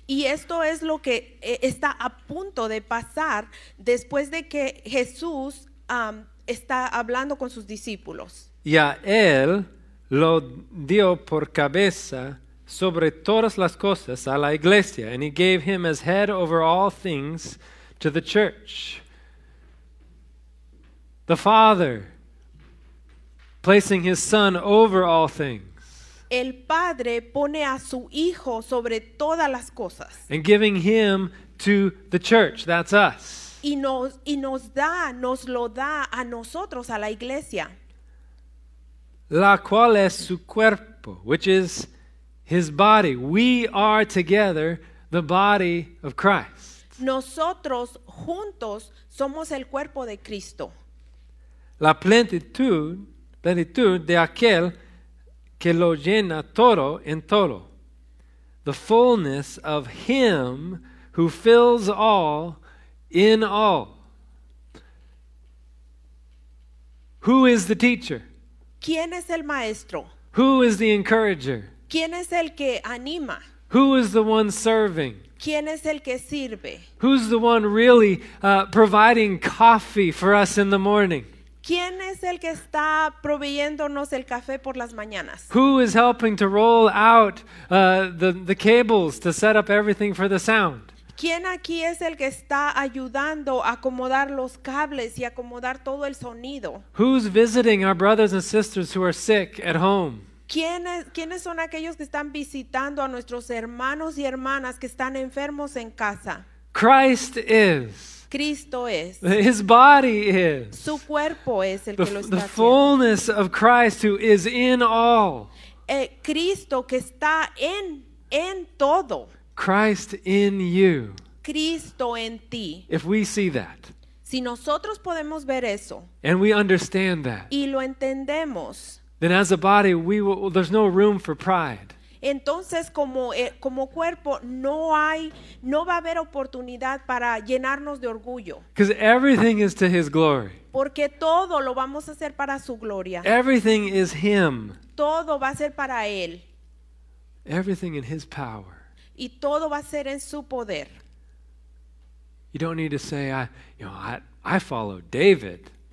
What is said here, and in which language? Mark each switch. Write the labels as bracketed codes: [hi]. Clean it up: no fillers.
[es] Y esto es lo que está a punto de pasar después de que Jesús está hablando con sus discípulos. Y a él lo dio por cabeza sobre todas las cosas a la iglesia, [en] and he gave him as head over all things to the church. The Father placing his Son over all things. [es] El Padre pone a su Hijo sobre todas las cosas. [en] And giving him to the church, that's us. [es] Y nos lo da a nosotros, a la iglesia. La cual es su cuerpo, [en] which is his body. We are together the body of Christ. [es] Nosotros juntos somos el cuerpo de Cristo. La plenitud de aquel que lo llena todo en todo. [en] The fullness of him who fills all in all. Who is the teacher? [es] ¿Quién es el maestro? [en] Who is the encourager? [es] ¿Quién es el que anima? [en] Who is the one serving? [es] ¿Quién es el que sirve? [en] Who's the one really providing coffee for us in the morning? [es] ¿Quién es el que está proveyéndonos el café por las mañanas? [en] Who is helping to roll out the cables to set up everything for the sound? [es] ¿Quién aquí es el que está ayudando a acomodar los cables y acomodar todo el sonido? [en] Who's visiting our brothers and sisters who are sick at home? [es] ¿Quiénes son aquellos que están visitando a nuestros hermanos y hermanas que están enfermos en casa? [en] Christ is. [es] Cristo es. [en] His body is. [es] Su cuerpo es el que lo está haciendo. [en] The fullness of Christ who is in all. [es] Cristo que está en todo. [en] Christ in you. [es] Cristo en ti. [en] If we see that. [es] Si nosotros podemos ver eso. [en] And we understand that. [es] Y lo entendemos. [en] Then as a body, there's no room for pride. [es] Entonces, como cuerpo, no va a haber oportunidad para llenarnos de orgullo. [en] Because everything is to his glory. [es] Porque todo lo vamos a hacer para su gloria. [en] Everything is him. [es] Todo va a ser para él. [en] Everything in his power. [es] Y todo va a ser en su poder. [en] You don't need to say, I follow David.